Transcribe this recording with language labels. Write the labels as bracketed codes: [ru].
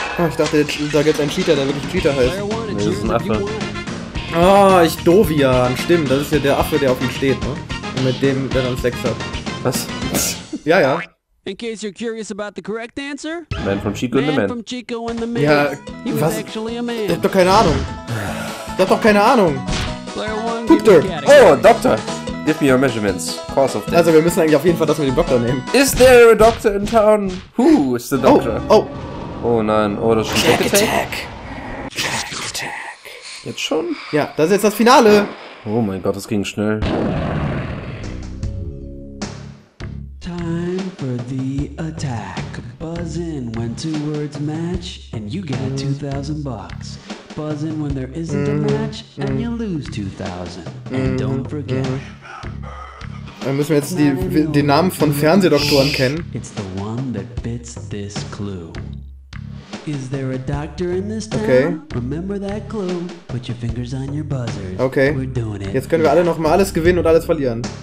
[de] Oh, ich dachte, da gibt's einen Cheetah, der wirklich Cheetah heißt. Nee, das ist ein Affe. Ah, oh, ich Dovian, stimmt, das ist ja der Affe, der auf ihm steht, ne? Und mit dem, der dann Sex hat. Was? Ja, ja. [en] In case you're curious about the correct answer? Man from Chico and the Man. From Chico and the Man. [de] Ja, was? Ich hab doch keine Ahnung. Ich hab doch keine Ahnung. Doktor! [en] Oh, Doktor! Give me your measurements. Cause of death. [de] Also, wir müssen eigentlich auf jeden Fall das mit dem Doktor nehmen. [en] Is there a doctor in town? Who is the doctor? Oh, [de] oh. Oh nein, oh, das ist ein [en] Jack Attack. [de] Jetzt schon? Ja, das ist jetzt das Finale. Oh mein Gott, das ging schnell. [en] Time for the attack. Buzz in when two words match and you get 2000 bucks. Buzz in when there isn't a match and you lose 2000. And don't forget. [de] Dann müssen wir jetzt den Namen von Fernsehdoktoren kennen. [en] It's the one that fits this clue. Is there a doctor in this town? Okay. Remember that clue. Put your fingers on your buzzers. Okay. We're doing it. [de] Jetzt können wir alle noch mal alles gewinnen und alles verlieren.